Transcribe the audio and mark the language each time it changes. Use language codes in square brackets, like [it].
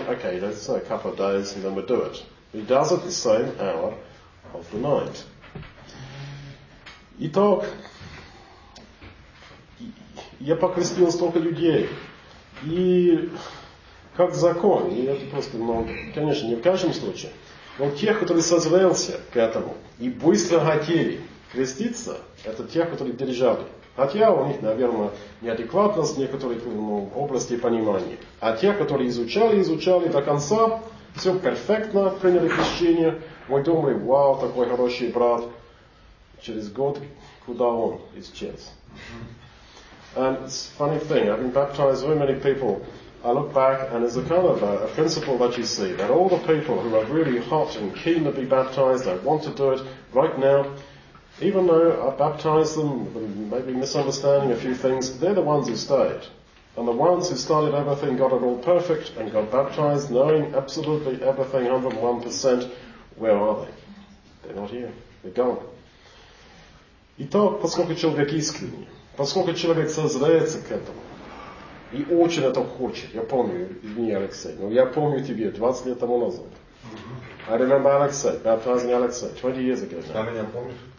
[en] Okay, let's say a couple of days and then we'll do it. He does it the same hour of the night. [ru] Итак, я покрестил столько людей. И как закон, и это просто, ну, конечно, не в каждом случае, но те, которые созрелся к этому и быстро хотели креститься, это те, которые держали. Хотя у них, наверное, неадекватность в некоторых, ну, области понимания. А те, которые изучали до конца, все перфектно приняли крещение, мы думали, вау, такой хороший брат, через год, куда он исчез. [en] And it's a funny thing, I've been baptized very many people. I look back and there's a kind of a principle that you see, that all the people who are really hot and keen to be baptized, they want to do it right now, even though I baptized them, maybe misunderstanding a few things, they're the ones who stayed. And the ones who started everything, got it all perfect and got baptized, knowing absolutely everything 101%, where are they? They're not here. They're gone. [ru] Итак, поскольку человек искренний, поскольку человек созреется к этому, и очень это хочет. Я помню, извини, Алексей, но я помню тебе 20 лет тому назад. [en] I remember Alexei, baptizing Alexei 20 years ago. [ru] Ты меня помнишь?